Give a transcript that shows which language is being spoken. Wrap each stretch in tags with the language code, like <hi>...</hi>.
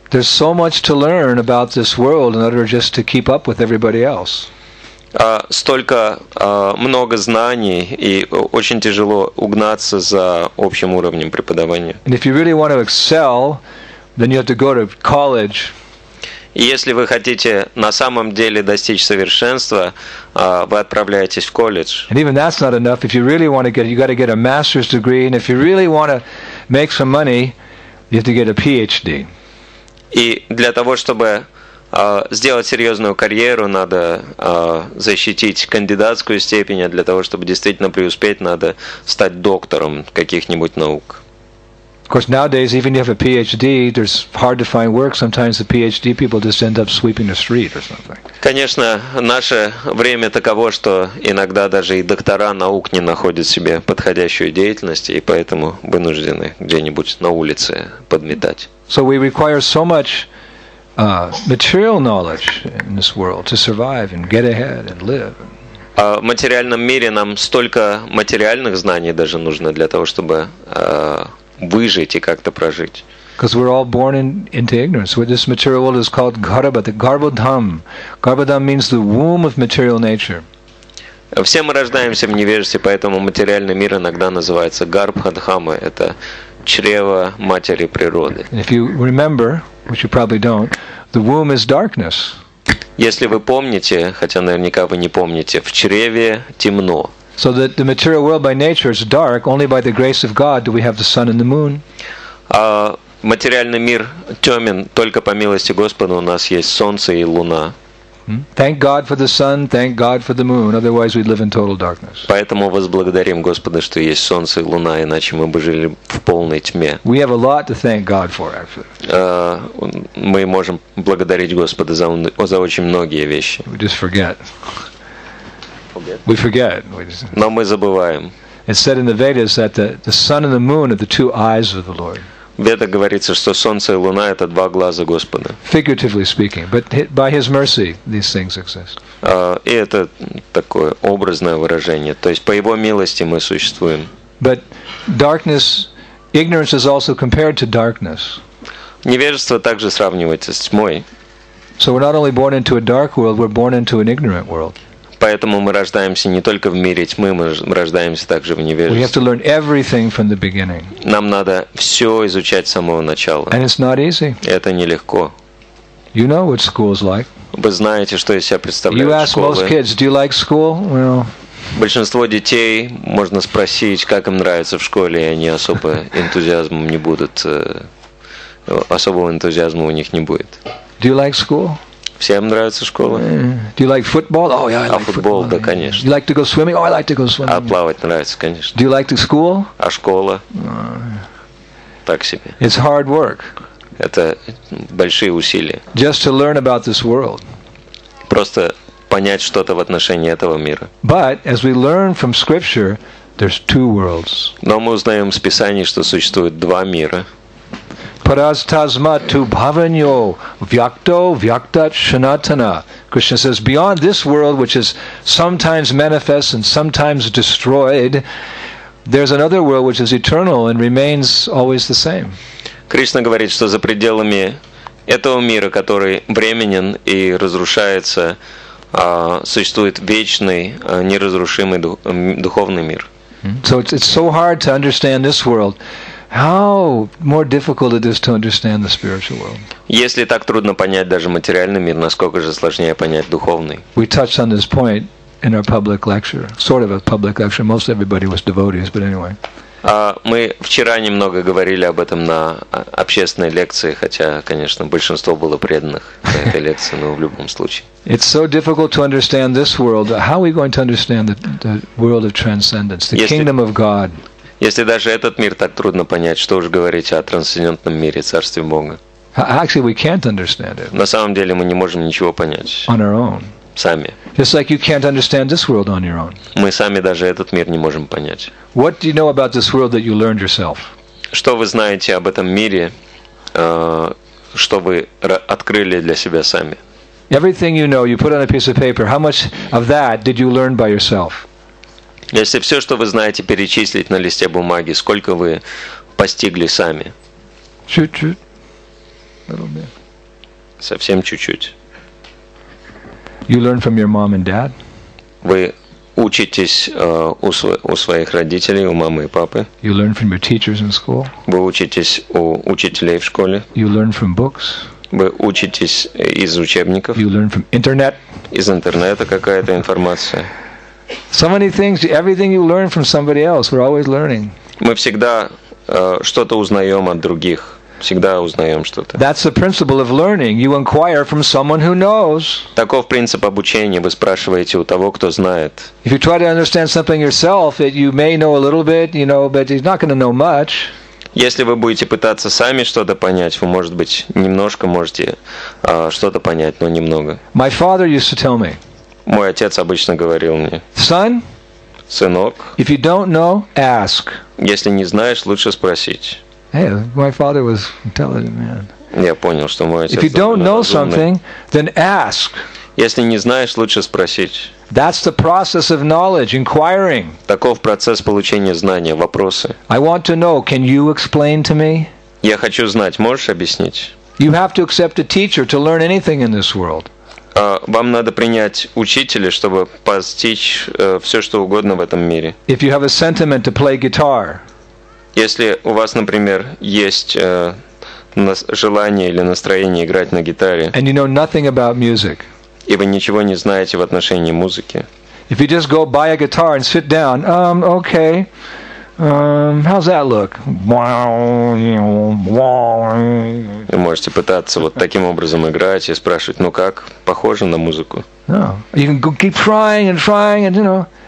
<en>There's so much to learn about this world in order just to keep up with everybody else.</en> <ru>Столько много знаний, и очень тяжело угнаться за общим уровнем преподавания.</ru> <en>And if you really want to excel, then you have to go to college.</en> <ru>И если вы хотите на самом деле достичь совершенства, вы отправляетесь в колледж.</ru> <en>And even that's not enough. If you really want to get, you got to get a master's degree. And if you really want to make some money, you have to get a PhD.</en> <ru>И для того, чтобы сделать серьезную карьеру, надо защитить кандидатскую степень, а для того, чтобы действительно преуспеть, надо стать доктором каких-нибудь наук.</ru> <en>course, nowadays, even if you have a PhD, there's hard to find work. Sometimes the PhD people just end up sweeping the street or something.</en> <ru>Конечно, наше время таково, что иногда даже и доктора наук не находят себе подходящую деятельность, и поэтому вынуждены где-нибудь на улице подметать.</ru> <en>So we require so much material knowledge in this world to survive and get ahead and live.</en> <ru>В материальном мире нам столько материальных знаний даже нужно для того, чтобы выжить и как-то прожить.</ru> <en>Because we're all born into ignorance. This material world is called garbha, the garbhadham. Garbhadham means the womb of material nature.</en> <ru>Все мы рождаемся в невежестве, поэтому материальный мир иногда называется гарбхадхама. Это чрево матери природы.</ru> <en>If you remember, which you probably don't, the womb is darkness.</en> <ru>Если вы помните, хотя наверняка вы не помните, в чреве темно.</ru> <en>So that the material world by nature is dark, only by the grace of God do we have the sun and the moon.</en> <ru>Материальный мир темен, только по милости Господа у нас есть солнце и луна.</ru> <en>Thank God for the sun, thank God for the moon, otherwise we'd live in total darkness.</en> <ru>Поэтому возблагодарим Господа, что есть солнце и луна, иначе мы бы жили в полной тьме.</ru> <en>We have a lot to thank God for, actually.</en> <ru>Мы можем благодарить Господа за очень многие вещи.</ru> <en>We just forget.</en> <ru>Но мы забываем.</ru> <en>It's said in the Vedas that the sun and the moon are the two eyes of the Lord.</en> <ru>Веда говорится, что солнце и луна это два глаза Господа.</ru> <en>Figuratively speaking, but by His mercy these things exist.</en> <ru>И это такое образное выражение, то есть по Его милости мы существуем.</ru> <en>But darkness, ignorance is also compared to darkness.</en> <ru>Невежество также сравнивается с тьмой.</ru> <en>So we're not only born into a dark world, we're born into an ignorant world.</en> <ru>Поэтому мы рождаемся не только в мире тьмы, мы рождаемся также в невежестве.</ru> <en>We have to learn everything from the beginning.</en> <ru>Нам надо все изучать с самого начала.</ru> <en>And it's not easy.</en> <ru>Это нелегко.</ru> <en>You know what school's like.</en> <ru>Вы знаете, что из себя представляют школы.</ru> <en>You ask</en> <ru>школы.</ru> <en>Most kids, do you like school? Well,</en> <ru>большинство детей можно спросить, как им нравится в школе, и они особо энтузиазмом не будут, особого энтузиазма у них не будет.</ru> <en>Do you like school?</en> <ru>Всем нравится школа.</ru> <en>Do you like football? Oh, yeah, I like</en> <ru>football. Да, конечно.</ru> <en>Do you like to go swimming? Oh, I like to go swimming.</en> <ru>А плавать нравится, конечно.</ru> <en>Do you like to school?</en> <ru>А школа? Так себе.</ru> <en>It's hard work.</en> <ru>Это большие усилия.</ru> <en>Just to learn about this world.</en> <ru>Просто понять что-то в отношении этого мира.</ru> <en>But as we learn from scripture, there's two worlds.</en> <ru>Но мы узнаем из Писания, что существует два мира.</ru> <sa>Parastasma tu bhavanyo vyakto vyaktat shanatana.</sa> <en>Krishna says, beyond this world, which is sometimes manifest and sometimes destroyed, there's another world which is eternal and remains always the same.</en> <ru>Krishna говорит, что за пределами этого мира, который временен и разрушается, существует вечный, неразрушимый духовный мир.</ru> <en>So it's so hard to understand this world. How more difficult it is to understand the spiritual world.</en> <ru>Если так трудно понять даже материальный мир, насколько же сложнее понять духовный?</ru> <en>We touched on this point in our public lecture, sort of a public lecture. Most everybody was devotees, but anyway.</en> <ru>Мы вчера немного говорили об этом на общественной лекции, хотя, конечно, большинство было преданных на этой лекции, но в любом случае.</ru> <en>It's so difficult to understand this world. How are we going to understand the world of transcendence, the kingdom of God?</en> <ru>Если даже этот мир так трудно понять, что уж говорить о трансцендентном мире, царстве Бога.</ru> <en>Actually, we can't understand it.</en> <ru>На самом деле мы не можем ничего понять.</ru> <en>On our own.</en> <ru>Сами.</ru> <en>Just like you can't understand this world on your own.</en> <ru>Мы сами даже этот мир не можем понять.</ru> <en>What do you know about this world that you learned yourself?</en> <ru>Что вы знаете об этом мире, что вы открыли для себя сами?</ru> <en>Everything you know, you put on a piece of paper. How much of that did you learn by yourself?</en> <ru>Если все, что вы знаете, перечислить на листе бумаги, сколько вы постигли сами? Чуть-чуть. Совсем чуть-чуть.</ru> <en>You learn from your mom and dad?</en> <ru>Вы учитесь у своих родителей, у мамы и папы.</ru> <en>You learn from your teachers in school?</en> <ru>Вы учитесь у учителей в школе.</ru> <en>You learn from books?</en> <ru>Вы учитесь из учебников.</ru> <en>You learn from internet?</en> <ru>Из интернета какая-то информация.</ru> <en>So many things, everything you learn from somebody else, we're always learning.</en> <ru>Мы всегда что-то узнаем от других, всегда узнаем что-то.</ru> <en>That's the principle of learning. You inquire from someone who knows.</en> <ru>Таков принцип обучения. Вы спрашиваете у того, кто знает.</ru> <en>If you try to understand something yourself, that you may know a little bit, you know, but you're not going to know much.</en> <ru>Если вы будете пытаться сами что-то понять, вы, может быть, немножко можете что-то понять, но немного.</ru> <en>My father used to tell me.</en> <ru>Мой отец обычно говорил мне.</ru> <en>Son.</en> <ru>Сынок.</ru> <en>If you don't know, ask.</en> <ru>Если не знаешь, лучше спросить.</ru> <en>Hey, my father was intelligent man.</en> <ru>Я понял, что мой отец.</ru> <en>If you don't know something, then ask.</en> <ru>Если не знаешь, лучше спросить.</ru> <en>That's the process of knowledge, inquiring.</en> <ru>Таков процесс получения знания, вопросы.</ru> <en>I want to know, can you explain to me?</en> <ru>Я хочу знать, можешь объяснить?</ru> <en>You have to accept a teacher to learn anything in this world.</en> <ru>Вам надо принять учителя, чтобы постичь все, что угодно в этом мире.</ru> <en>If you have a sentiment to play guitar.</en> <ru>Если у вас, например, есть желание или настроение играть на гитаре.</ru> <en>And you know nothing about music.</en> <ru>И вы ничего не знаете в отношении музыки.</ru> <en>If you just go buy a guitar and sit down, okay, how's that look?</en> <ru>Вы можете пытаться вот таким образом играть и спрашивать, ну как, похоже на музыку?</ru> <en>No. You can keep trying and trying and, you know.</en>